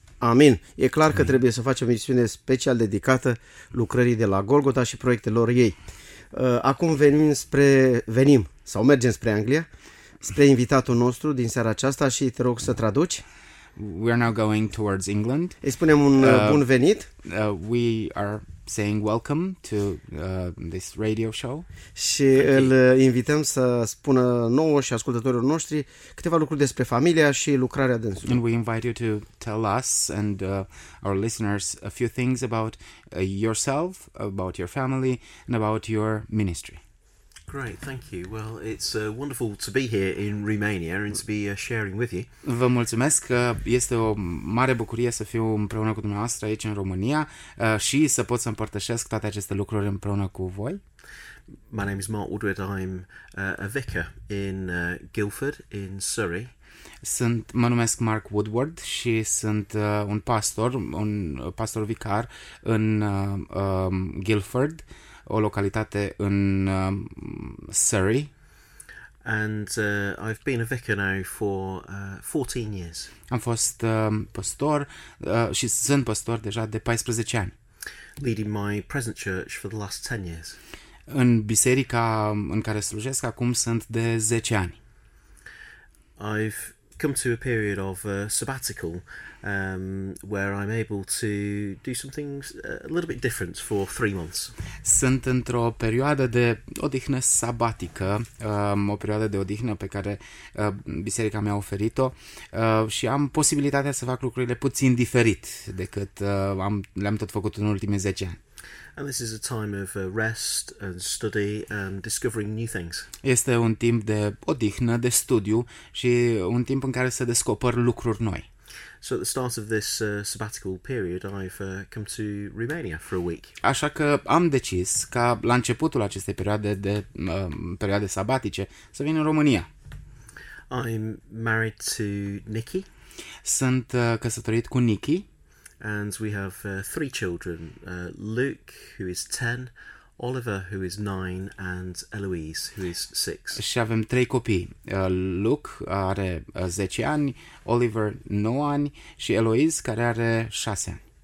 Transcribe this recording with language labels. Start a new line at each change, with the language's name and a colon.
Romanian: Amin. E clar Amin. Că trebuie să facem o misiune special dedicată lucrării de la Golgota și proiectelor ei. Acum venim sau mergem spre Anglia, spre invitatul nostru din seara aceasta și te rog să traduci.
English: We're now going towards England.
Romanian: Îi spunem un bun venit.
English: We are saying welcome to this radio show.
Romanian: Și îl invităm să spună nouă și ascultătorilor noștri câteva lucruri despre familia și lucrarea dânsului.
English: And we invite you to tell us and our listeners a few things about yourself, about your family and about your ministry. Great, thank you. Well, it's wonderful to be here in Romania and to be sharing with you.
Romanian: Vă mulțumesc că este o mare bucurie să fiu împreună cu dumneavoastră aici în România și să pot să împărtășesc toate aceste lucruri împreună cu voi.
English: My name is Mark Woodward. I'm a vicar in Guildford in Surrey.
Romanian: Mă numesc Mark Woodward și sunt un pastor vicar în Guildford, o localitate în Surrey.
English: And I've been a vicar now for 14 years.
Romanian: Am fost pastor și sunt pastor deja de 14 ani.
English: Leading my present church for the last 10 years.
Romanian: În biserica în care slujesc acum sunt de 10 ani.
English: I've come to a period of sabbatical where I'm able to do some things a little bit different for 3 months.
Romanian: Sunt într-o perioadă de odihnă sabatică, o perioadă de odihnă pe care biserica mi-a oferit-o și am posibilitatea să fac lucrurile puțin diferit decât le-am tot făcut în ultimii 10 ani.
English: And this is a time of rest and study and discovering new things.
Romanian: Este un timp de odihnă, de studiu și un timp în care să descoper lucruri noi.
English: So at the start of this sabbatical period, I've come to Romania for a week.
Romanian: Așa că am decis ca la începutul acestei perioade de perioade sabatice să vin în România.
English: I'm married to Nikki.
Romanian: Sunt căsătorit cu Nikki.
English: And we have 3 children, Luke, who is 10, Oliver, who is 9, and Eloise, who is 6.
Romanian: Și avem 3 copii, Luke are 10 ani, Oliver 9 ani și Eloise care are 6 ani.